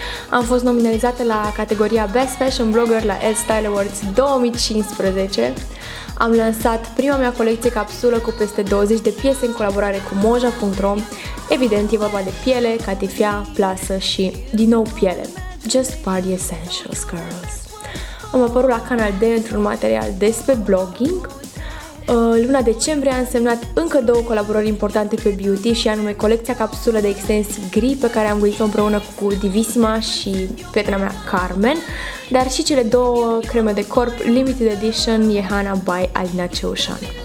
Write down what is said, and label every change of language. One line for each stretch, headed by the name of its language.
Romanian: Am fost nominalizată la categoria Best Fashion Blogger la Elle Style Awards 2015. Am lansat prima mea colecție capsulă cu peste 20 de piese în colaborare cu Moja.ro. Evident, e vorba de piele, catifia, plasă și, din nou, piele.
English: Just party essentials, girls.
Romanian: Am apărut la Canal D într-un material despre blogging. Luna decembrie a însemnat încă două colaborări importante pe beauty și anume colecția capsulă de extensii gri pe care am găsit-o împreună cu Divisima și prietena mea Carmen, dar și cele două creme de corp limited edition Yehana by Alina Ceușan.